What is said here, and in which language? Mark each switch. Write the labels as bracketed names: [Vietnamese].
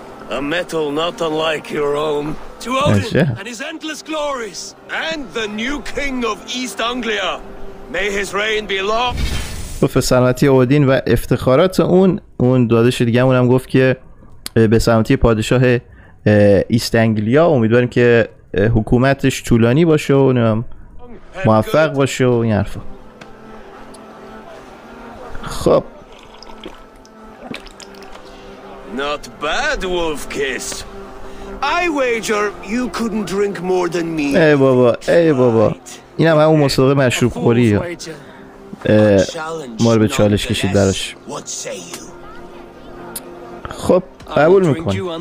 [English] A metal not unlike your own. To Odin and his endless glories, and the new king of East Anglia. May his reign be long. [Persian] به سلامتی اودین و افتخارات اون. اون دادش دیگه همونم گفت که به سلامتی پادشاه ایست انگلیا، امیدواریم که حکومتش طولانی باشه و موفق باشه و این حرفا. خب [English] not bad, Wolfkist. I wager you couldn't drink more than me. [Persian] ای بابا این هم همون مسابقه مشروب خوری یا ما رو به چالش کشید درش. خب قبول میکنم.